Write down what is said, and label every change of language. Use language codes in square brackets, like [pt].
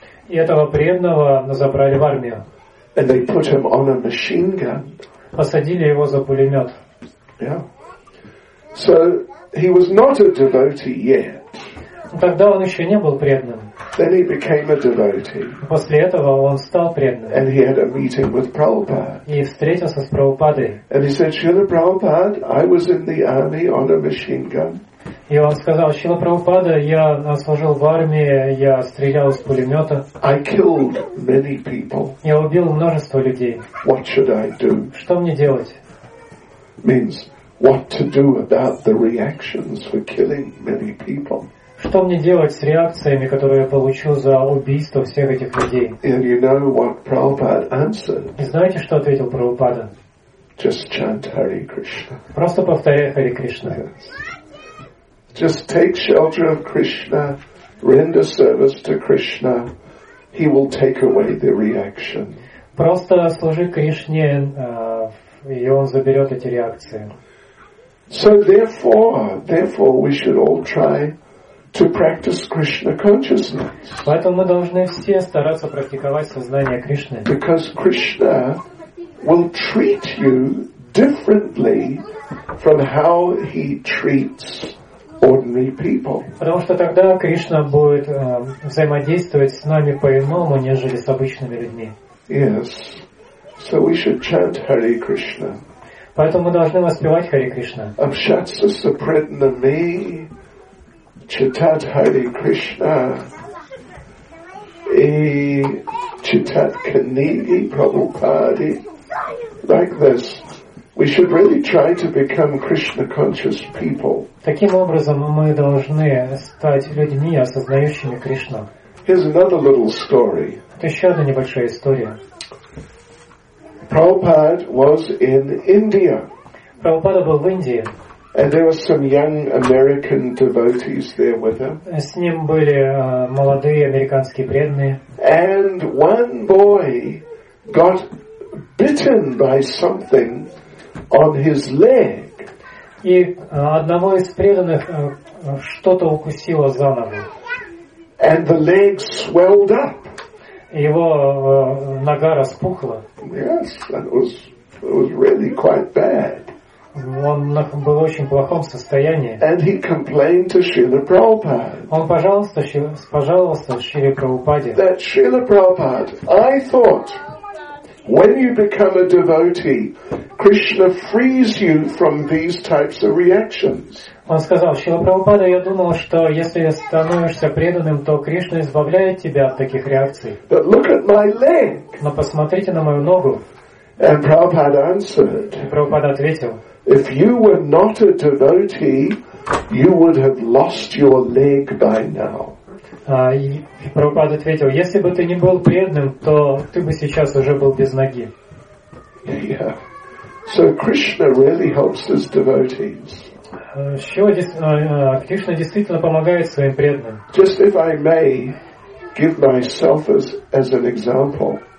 [ru] И этого преданного забрали в армию. [en] And they put him on a machine gun. [ru] Посадили его за пулемет. [en] Yeah. So he was not a devotee yet. [ru] Тогда он еще не был преданным. [en] Then he became a devotee. [ru] После этого он стал преданным. [en] And he had a meeting with Prabhupada. [ru] И встретился с Прабхупадой. [en] And he said, Srila Prabhupada, I was in the army on a machine gun. [ru] И он сказал, Шрила Прабхупада, я служил в армии, я стрелял из пулемета. [en] I killed many people. [ru] Я убил множество людей. [en] What should I do? [ru] Что мне делать? [en] Means what to do about the reactions for killing many people. [ru] Что мне делать с реакциями, которые я получил за убийство всех этих людей? [en] And you know what Prabhupada answered? [ru] И знаете, что ответил Прабхупада? [en] Just chant Hare Krishna. [ru] Просто повторяй Hare Krishna. [en] Yes. Just take shelter of Krishna, render service to Krishna, he will take away the reaction. [ru] Просто служи Кришне, и он заберет эти реакции. [en] So therefore we should all try to practice Krishna consciousness. [ru] Поэтому мы должны все стараться практиковать сознание Кришны. [en] Because Krishna will treat you differently from how he treats ordinary people. [ru] Потому что тогда Кришна будет взаимодействовать с нами по-иному, нежели с обычными людьми. [en] Yes. So we should chant Hare Krishna. [ru] Поэтому мы должны воспевать Hare Krishna. Общаться с преданными, читать Hare Krishna и читать книги Прабхупады. [en] Like this. We should really try to become Krishna conscious people. [ru] Таким образом мы должны стать людьми, осознающими Кришну. [en] Here's another little story. [ru] Это еще одна небольшая история. [en] Prabhupada was in India. [ru] Прабхупада был в Индии. [en] And there were some young American devotees there with him. [ru] С ним были молодые американские преданные. [en] And one boy got bitten by something on his leg. [ru] И одного из преданных что-то укусило за ногу. [en] And the leg swelled up. [ru] Его нога распухла. [en] Yes, it was really quite bad. [ru] Он был в очень плохом состоянии. [en] And he complained to Srila Prabhupada. [ru] Он пожаловался Шриле Прабхупаде. [en] That Srila Prabhupada, I thought, when you become a devotee, Krishna frees you from these types of reactions. [ru] Он сказал, Шрила Прабхупада, я думал, что если становишься преданным, то Кришна избавляет тебя от таких реакций. [en] But look at my leg. [ru] Но посмотрите на мою ногу. [en] And Prabhupada answered. [ru] И Прабхупада ответил. [en] If you were not a devotee, you would have lost your leg by now. [ru] И Прабхупада ответил, если бы ты не был преданным, то ты бы сейчас уже был без ноги. [en] Yeah. So Krishna really helps his devotees. [ru] Кришна действительно помогает своим преданным. [en] Just if I may give myself as an example.